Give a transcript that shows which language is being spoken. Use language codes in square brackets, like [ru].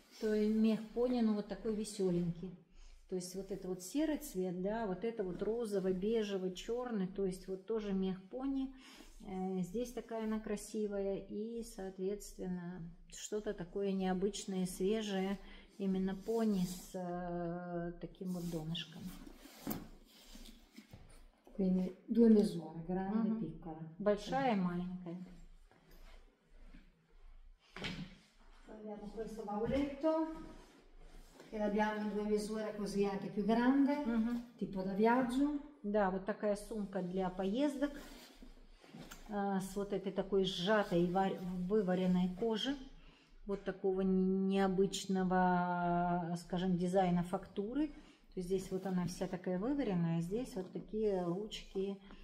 [ru] То есть мех пони, но вот такой веселенький. То есть вот это вот серый цвет, да, вот это вот розово-бежево-черный, то есть вот тоже мех пони. Здесь такая она красивая и, соответственно, что-то такое необычное, свежее, именно пони с таким вот донышком. [it] Due misure, grande e piccola. [ru] Большая и маленькая. [it] Abbiamo questo bauletto che abbiamo in due misure così anche più grande, tipo da viaggio. [ru] Да, вот такая сумка для поездок. С вот этой такой сжатой вываренной кожи, вот такого необычного, скажем, дизайна фактуры. То есть здесь вот она вся такая вываренная, а здесь вот такие ручки,